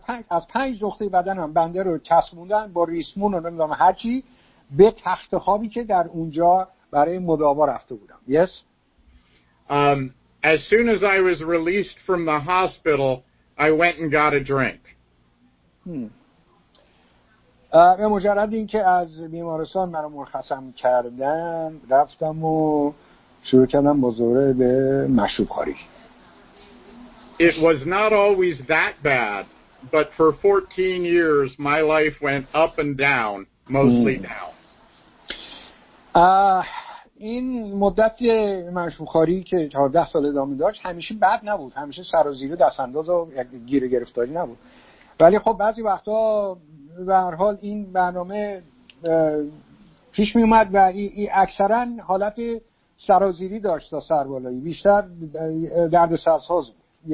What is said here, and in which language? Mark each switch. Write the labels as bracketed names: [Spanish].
[Persian] از 5 نقطه بدنم بنده رو چسبوندن با ریسمون و نمیدونم هرچی به تخت خوابی که در اونجا برای مداوا رفته بودم. [English] Yes? As soon as I was released from the hospital, I went and got a drink. [Persian] به مجرد این که از بیمارستان منو مرخصم کردن، رفتم و شروع کردم بزرگ به مشروب خوری. [English] It was not always that bad, but for 14 years my life went up and down, mostly down. [Persian] این مدت مشروب خوری که 14 سال ادامه داشت همیشه بد نبود، همیشه سر و زیر دست انداز و گیر گرفتاری نبود، ولی خب بعضی وقتا به هر حال این برنامه پیش می اومد و اکثرا حالت سرازیری داشت تا سربالایی، بیشتر درد سرساز بود.